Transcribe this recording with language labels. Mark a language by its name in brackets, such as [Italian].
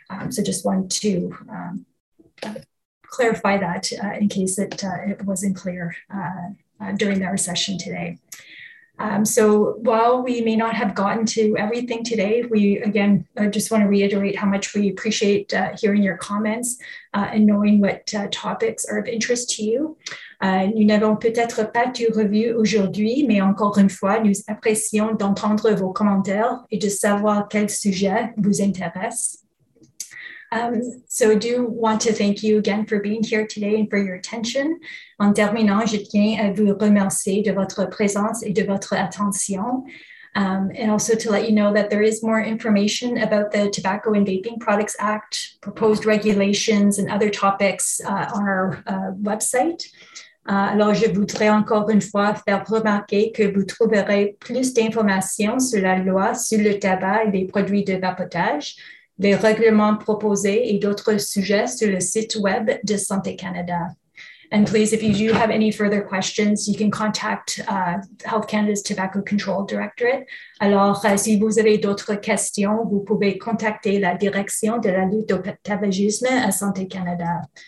[English] So just wanted to clarify that in case it wasn't clear during our session today. So while we may not have gotten to everything today, we again just want to reiterate how much we appreciate hearing your comments and knowing what topics are of interest to you. [French] Nous n'avons peut-être pas tout revu aujourd'hui, mais encore une fois, nous apprécions d'entendre vos commentaires et de savoir quel sujet vous intéresse. [English] So I do want to thank you again for being here today and for your attention. [French] En terminant, je tiens à vous remercier de votre présence et de votre attention. [English] And also to let you know that there is more information about the Tobacco and Vaping Products Act, proposed regulations and other topics on our website. [French] Alors, je voudrais encore une fois faire remarquer que vous trouverez plus d'informations sur la loi sur le tabac et les produits de vapotage, les règlements proposés et d'autres sujets sur le site web de Santé Canada. [English] And please, if you do have any further questions, you can contact Health Canada's Tobacco Control Directorate. [French] Alors, si vous avez d'autres questions, vous pouvez contacter la Direction de la lutte au tabagisme à Santé Canada.